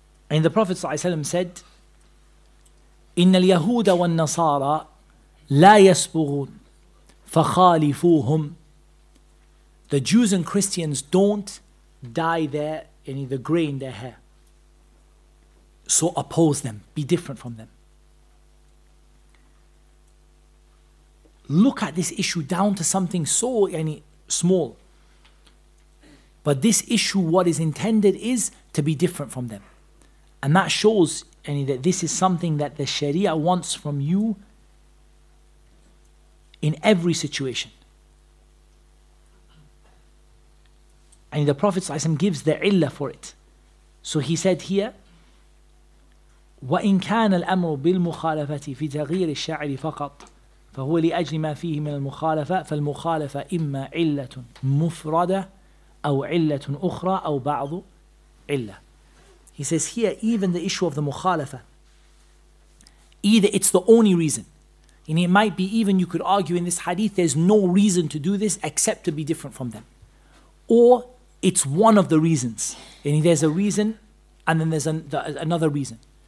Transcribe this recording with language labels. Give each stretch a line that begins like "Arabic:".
English: And the Prophet ﷺ said,
Arabic: إِنَّ الْيَهُودَ وَالنَّصَارَى لَا يَسْبُغُونَ فَخَالِفُوهُمْ.
English: The Jews and Christians don't dye the grey in their hair. So oppose them, be different from them. Look at this issue down to something so small. But this issue, what is intended is to be different from them. And that shows that this is something that the Sharia wants from you in every situation. And the Prophet ﷺ gives the illa for it. So he said here,
Arabic: وَإِنْ كَانَ الْأَمْرُ بِالْمُخَالَفَةِ فِي تَغْيِيرِ الشَّعْرِ فَقَطْ فَهُوَ لِأَجْلِ مَا فِيهِ مِنَ الْمُخَالَفَةِ فَالْمُخَالَفَةِ إِمَّا عِلَّةٌ مُفْرَدَةٌ أَوْ عِلَّةٌ أُخْرَى أَوْ بَعْضُ عِلَّةٌ.
English: He says here, even the issue of the mukhalafa, either it's the only reason. And it might be even, you could argue in this hadith, there's no reason to do this except to be different from them. Or it's one of the reasons. And there's a reason, and then there's another reason.